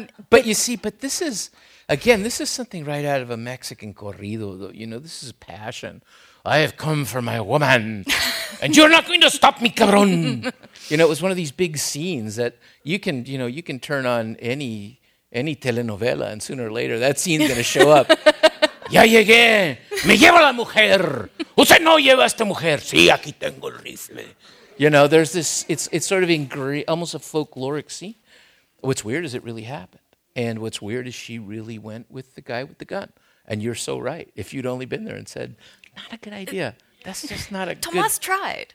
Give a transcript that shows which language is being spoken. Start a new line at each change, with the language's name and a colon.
English: But this is, again, this is something right out of a Mexican corrido, though. You know, this is passion. I have come for my woman, and you're not going to stop me, cabrón. You know, it was one of these big scenes that you can turn on any telenovela, and sooner or later, that scene's going to show up.
Spanish: Ya llegué, me llevo la mujer. Usted no lleva esta mujer. Sí, aquí tengo el rifle.
English: You know, there's this, it's sort of almost a folkloric scene. What's weird is it really happened. And what's weird is she really went with the guy with the gun. And you're so right. If you'd only been there and said, not a good idea. That's just not a good... Tomas tried.